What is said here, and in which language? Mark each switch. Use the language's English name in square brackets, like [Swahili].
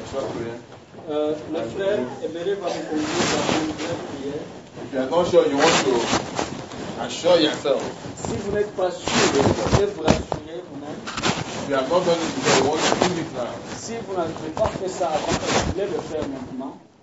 [French] Le frère Emery va vous conduire dans une vraie prière. [English] If you are not sure, you want to assure yourself. [French] Si vous n'êtes pas sûr, vous pouvez vous rassurer vous-même. [English] If you have not done it before, you want to do it now. [French] Si vous n'avez pas fait ça avant, vous pouvez le faire maintenant.